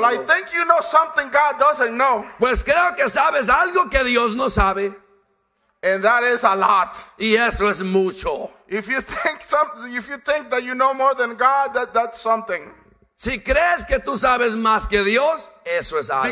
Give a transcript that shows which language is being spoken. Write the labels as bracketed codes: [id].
[en] Well, I think you know something God doesn't know. [es] Pues creo que sabes algo que Dios no sabe. [en] And that is a lot. [es] Y eso es mucho. [en] If you think something, if you think that you know more than God, that's something. [es] Si crees que tú sabes más que Dios, eso es algo.